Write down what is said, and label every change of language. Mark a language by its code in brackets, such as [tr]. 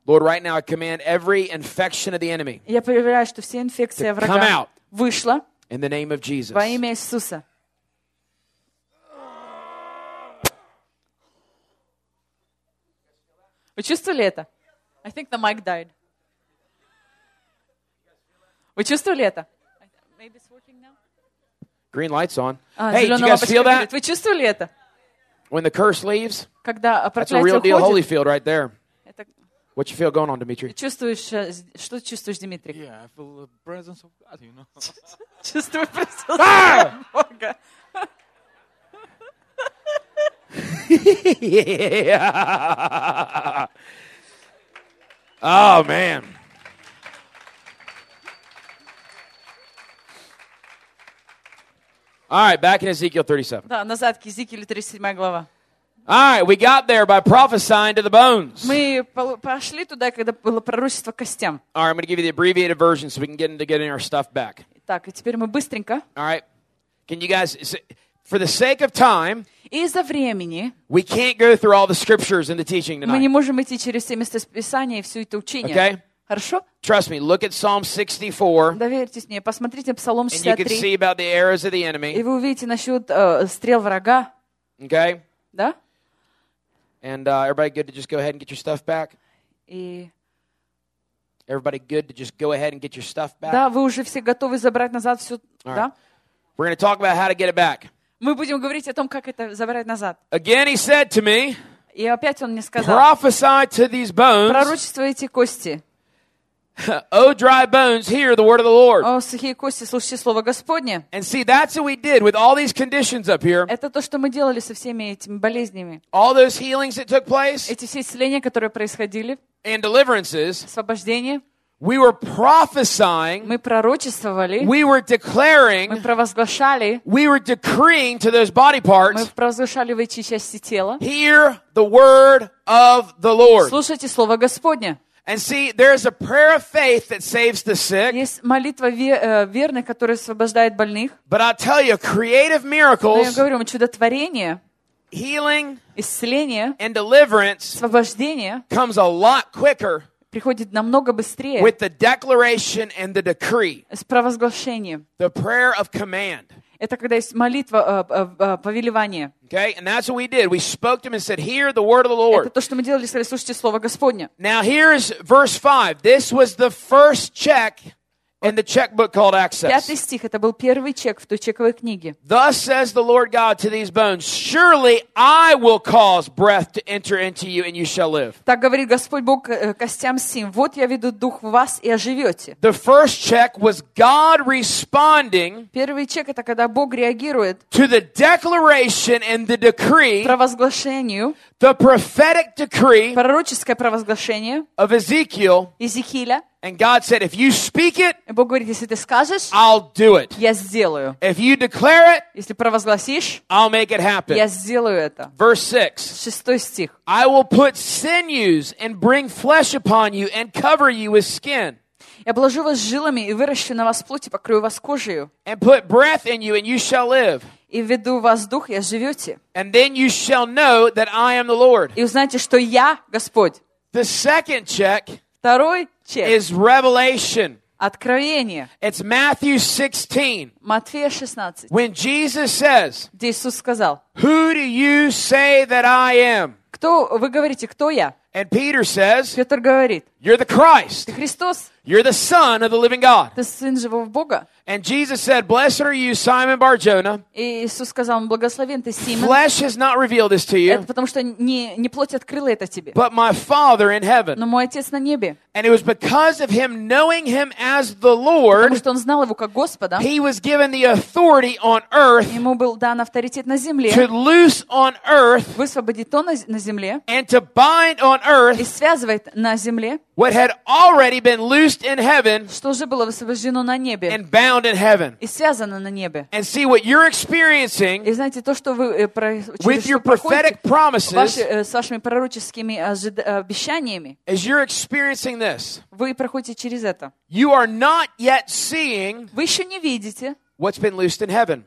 [en] Lord, right now I command every infection of the enemy. [ru] Я повелеваю, что все инфекции врага. [en] Come out. [ru] Вышла. [en] In the name of Jesus. [ru] Во имя Иисуса. Вы чувствовали это? [en] I think the mic died. [ru] Вы чувствовали это? [en] Maybe it's working now. Green light's on. Hey, did you guys feel that? [ru] Вы чувствовали это? [en] When the curse leaves? [ru] Когда проклятие уходит? [en] That's a real deal Holyfield right there. What you feel going on, Dimitri? [ru] Чувствуешь, что чувствуешь, Дмитрий? [en] Yeah, I feel the presence of God, you know. [ru] Чувствую присутствие Бога. [en] Yeah. Oh man. All right, back in Ezekiel 37. [ru] Да, назад к Езекиилю 37 глава. [en] All right, we got there by prophesying to the bones. [ru] Мы пошли туда, когда было пророчество костям. [en] All right, I'm going to give you the abbreviated version so we can get into getting our stuff back. [ru] Так, и теперь мы быстренько. [en] All right. Can you guys for the sake of time, [ru] из-за времени, [en] we can't go through all the scriptures in the teaching tonight. [ru] Мы не можем идти через все места Писания и все это учение. [en] Okay? [ru] Хорошо? [en] Trust me, look at Psalm 64. [ru] Доверьтесь мне, посмотрите Псалом 63. [en] And you can see about the arrows of the enemy. [ru] И вы увидите насчет стрел врага. [en] Okay? [ru] Да? [en] And everybody good to just go ahead and get your stuff back? [ru] И... [en] Everybody good to just go ahead and get your stuff back? [ru] Да, вы уже все готовы забрать назад все, [en] all right. [ru] Да? [en] We're going to talk about how to get it back. [ru] Мы будем говорить о том, как это забрать назад. [en] Again he said to me, [ru] и опять он мне сказал, [en] prophesy to these bones, [ru] пророчествуй эти кости, [en] Oh, dry bones, hear the word of the Lord. [ru] О, сухие кости, слушайте слово Господне. [en] And see, that's what we did with all these conditions up here. [ru] Это то, что мы делали со всеми этими болезнями. [en] All those healings that took place. [ru] Эти все исцеления, которые происходили. [en] And deliverances. [ru] Освобождение. [en] We were prophesying. [ru] Мы пророчествовали. [en] We were declaring. [ru] Мы провозглашали. [en] We were decreeing to those body parts. [ru] Мы провозглашали в эти части тела. [en] Hear the word of the Lord. [ru] Слушайте слово Господне. [en] And see, there is a prayer of faith that saves the sick. [ru] Есть молитва верной, которая освобождает больных. [en] But I tell you, creative miracles. [ru] Но я говорю вам, чудотворение. [en] Healing. [ru] Исцеление. [en] And deliverance. [ru] Освобождение. [en] Comes a lot quicker. [ru] Приходит намного быстрее. [en] With the declaration and the decree. [ru] С провозглашением. [en] The prayer of command. [ru] Это когда есть молитва повелевания. [en] Okay, and that's what we did. We spoke to him and said, "Hear the word of the Lord." [ru] Это то, что мы делали, сказали, слушайте слово Господне. [en] Now here is verse 5. This was the first check in the checkbook called access. [ru] Пятый стих. Это был первый чек в той чековой книге. [en] Thus says the Lord God to these bones: Surely I will cause breath to enter into you, and you shall live. [ru] Так говорит Господь Бог костям сим. Вот я веду дух в вас и оживете. [en] The first check was God responding. [ru] Первый чек это когда Бог реагирует. [en] To the declaration and the decree. [ru] Провозглашению. [en] The prophetic decree. [ru] Пророческое провозглашение. [en] Of Ezekiel. [ru] Иезекииля. [en] And God said, "If you speak it, [ru] говорит, скажешь, [en] I'll do it. [ru] Я сделаю. [en] If you declare it, [ru] если провозгласишь, [en] I'll make it happen. [ru] Я сделаю это." [en] Verse 6. [ru] Шестой стих. [en] I will put sinews and bring flesh upon you and cover you with skin. [ru] Я обложу вас жилами и выращу на вас плоть и покрою вас кожей. [en] And put breath in you and you shall live. [ru] И введу в вас дух, и оживете. [en] And then you shall know that I am the Lord. [ru] И узнаете, что я Господь. [en] The second check. [ru] Второй чек. [en] Is revelation. [ru] Откровение. [en] It's Matthew 16. [ru] Матфея 16. [en] When Jesus says. [ru] Где Иисус сказал. [en] Who do you say that I am? [ru] Кто вы говорите, кто я? [en] And Peter says. [ru] Петр говорит. [en] You're the Christ. [ru] Ты Христос. [en] You're the Son of the Living God. [ru] Ты Сын живого Бога. [en] And Jesus said, "Blessed are you, Simon Bar-Jona." [ru] И Иисус сказал ему, благословен ты, Симон. [en] Flesh has not revealed this to you. [ru] Это потому что не плоть открыла это тебе. [en] But my Father in heaven. [ru] Но мой отец на небе. [en] And it was because of him knowing him as the Lord. [ru] Потому что он знал его как Господа. [en] He was given the authority on earth. [ru] Ему был дан авторитет на земле. [en] To loose on earth. [ru] Высвободить то на земле. [en] And to bind on earth. [ru] И связывать на земле. [en] What had already been loosed in heaven. [ru] Что уже было высвобождено на небе. [en] And bound in heaven. [ru] И связано на небе. [en] And see what you're experiencing. [ru] И знаете то, что вы [en] with your prophetic promises. [ru] С вашими пророческими обещаниями. [en] As you're experiencing this. [ru] Вы проходите через это. [en] You are not yet seeing. [ru] Вы еще не видите. [en] What's been loosed in heaven?